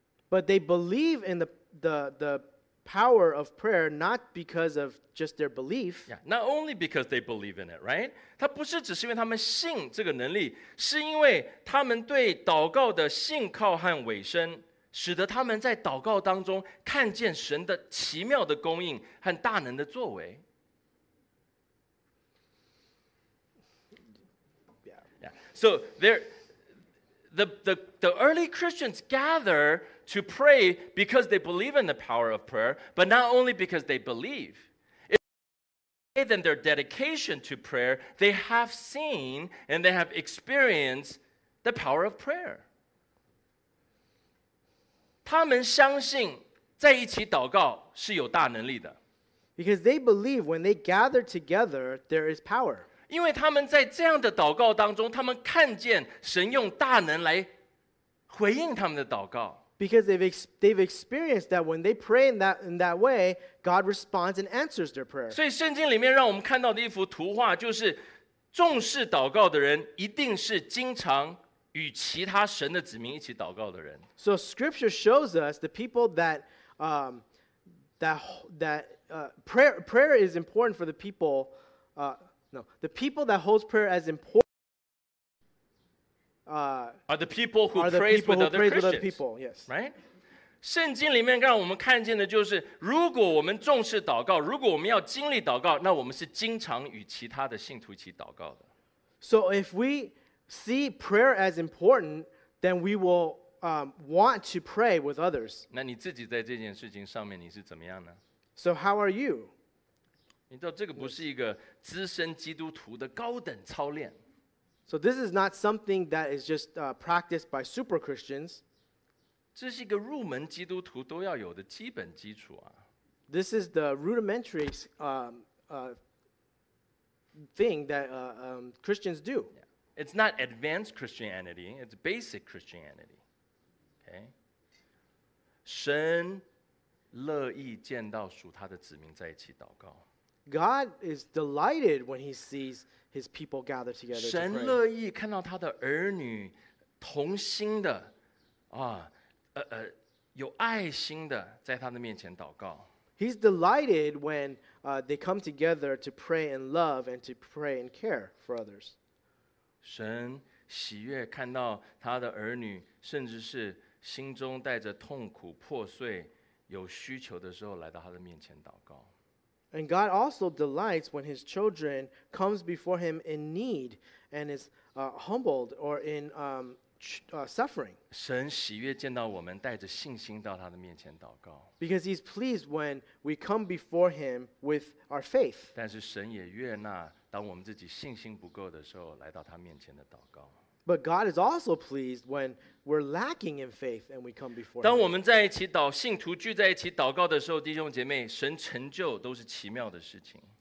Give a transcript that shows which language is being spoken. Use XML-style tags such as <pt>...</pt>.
<en>But they believe in the power of prayer not because of just their belief. Yeah, not only because they believe in it, right?</en> <zh>它不是只是因为他们信这个能力，是因为他们对祷告的信靠和委身，使得他们在祷告当中看见神的奇妙的供应和大能的作为。</zh> <en>Yeah. So the early Christians gather to pray because they believe in the power of prayer, but not only because they believe. In their dedication to prayer, they have seen and they have experienced the power of prayer.</en> <zh>他们相信在一起祷告是有大能力的。</zh> <en>Because they believe when they gather together, there is power.</en> <zh>因为他们在这样的祷告当中，他们看见神用大能来回应他们的祷告。</zh> <en>Because they've experienced that when they pray in that way, God responds and answers their prayer.</en> <zh>所以圣经里面让我们看到的一幅图画就是，重视祷告的人一定是经常与其他神的子民一起祷告的人。</zh> <en>So Scripture shows us the people that prayer is important for the people. The people that holds prayer as important. Are the people who prays with other Christians, yes. Right?</en> <zh>圣经里面让我们看见的就是，如果我们重视祷告，如果我们要经历祷告，那我们是经常与其他的信徒一起祷告的。</zh> <en>So if we see prayer as important, then we will want to pray with others.</en> <zh>那你自己在这件事情上面你是怎么样呢？</zh> <en>So how are you?</en> <zh>你知道这个不是一个资深基督徒的高等操练。</zh> <en>So this is not something that is just practiced by super Christians.</en> <zh>这是一个入门基督徒都要有的基本基础啊。</zh> <en>This is the rudimentary thing that Christians do. It's not advanced Christianity. It's basic Christianity. Okay?</en> <zh>神乐意见到属他的子民在一起祷告。</zh> <en>God is delighted when he sees his people gather together to pray.</en> <zh>神乐意看到他的儿女同心的啊，有爱心的在他的面前祷告。</zh> <en>He's delighted when they come together to pray in love and to pray and care for others.</en> <zh>神喜悦看到他的儿女，甚至是心中带着痛苦、破碎、有需求的时候来到他的面前祷告。</zh> <en>And God also delights when his children comes before him in need and is humbled or in suffering.</en> <zh>神喜悦见到我们带着信心到他的面前祷告。</zh> <en>Because he's pleased when we come before him with our faith.</en> <zh>但是神也悦纳当我们自己信心不够的时候来到他面前的祷告。</zh> <en>But God is also pleased when we're lacking in faith and we come before him.</en> <zh>当我们在一起祷信徒聚在一起祷告的时候，弟兄姐妹，神成就都是奇妙的事情。</zh>